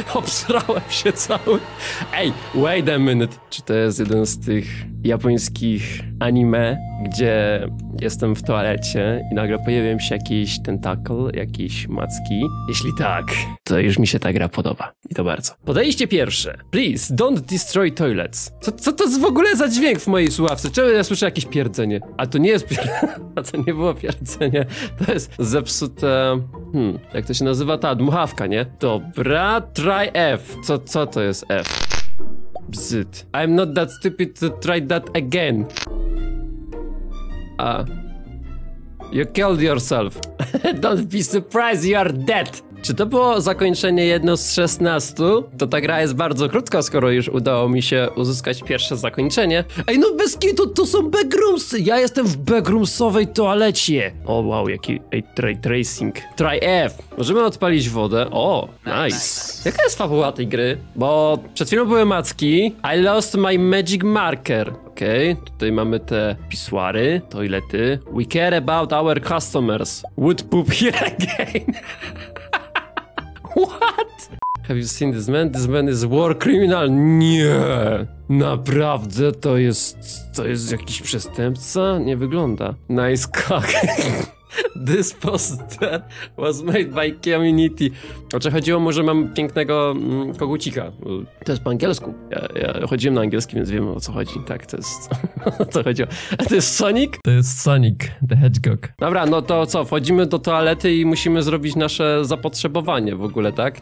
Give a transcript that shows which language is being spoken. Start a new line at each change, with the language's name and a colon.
Polish: Obsrałem się cały... Ej,
English: wait a minute!
Polish: Czy to jest jeden z tych japońskich anime, gdzie jestem w toalecie i nagle pojawia się jakiś tentakl, jakieś macki? Jeśli tak, to już mi się ta gra podoba. I to bardzo. Podejście pierwsze.
English: Please, don't destroy toilets.
Polish: Co to jest w ogóle za dźwięk w mojej słuchawce? Czemu ja słyszę jakieś pierdzenie? A to nie jest a to nie było pierdzenie. To jest zepsute... jak to się nazywa? Ta dmuchawka, nie? Dobra,
English: try F.
Polish: Co to jest F? Bzyt.
English: I'm not that stupid to try that again. You killed yourself. Don't be surprised, you are dead.
Polish: Czy to było zakończenie 1 z 16? To ta gra jest bardzo krótka, skoro już udało mi się uzyskać pierwsze zakończenie. Ej, no bez kitu, to są backroomsy! Ja jestem w backroomsowej toalecie! O, wow, jaki... Ej,
English: try tracing. Try F!
Polish: Możemy odpalić wodę.
English: O, nice.
Polish: Jaka jest fabuła tej gry? Bo przed chwilą były macki.
English: I lost my magic marker.
Polish: Okej, okay, tutaj mamy te pisuary, toilety.
English: We care about our customers. Would poop here again. What? Have you seen this man? This man is war criminal.
Polish: Nie. Naprawdę to jest... To jest jakiś przestępca? Nie wygląda.
English: Nice cock. This poster was made by community.
Polish: O czym chodziło, może mam pięknego kogucika. To jest po angielsku. Ja chodziłem na angielski, więc wiem, o co chodzi. Tak, to jest... O co chodziło. A to jest Sonic? To jest Sonic, the Hedgehog. Dobra, no to co, wchodzimy do toalety i musimy zrobić nasze zapotrzebowanie w ogóle, tak?